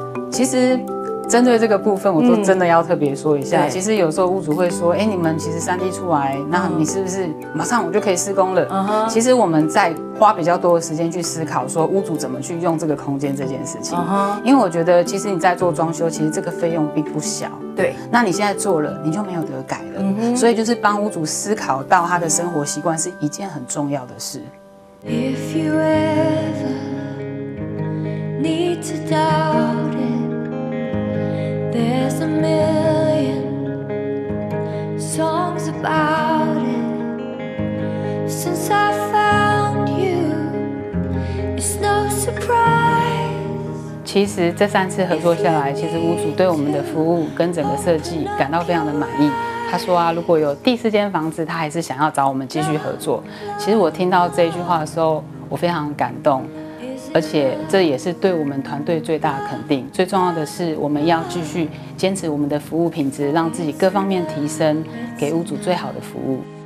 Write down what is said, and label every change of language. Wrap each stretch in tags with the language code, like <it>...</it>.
<zh>其实针对这个部分我都真的要特别说一下，其实有时候屋主会说，哎，你们其实 3D 出来，那你是不是马上我就可以施工了，其实我们在花比较多的时间去思考说屋主怎么去用这个空间这件事情，因为我觉得其实你在做装修其实这个费用并不小，对，那你现在做了你就没有得改了，所以就是帮屋主思考到他的生活习惯是一件很重要的事。</zh> <en>If you ever need to doubt itThere's a million songs about it. Since I found you, it's no surprise.</en> <zh>其实这三次合作下来，其实屋主对我们的服务跟整个设计感到非常的满意。他说啊，如果有第四间房子，他还是想要找我们继续合作。其实我听到这句话的时候，我非常感动。而且这也是对我们团队最大的肯定，最重要的是我们要继续坚持我们的服务品质，让自己各方面提升，给屋主最好的服务。</zh>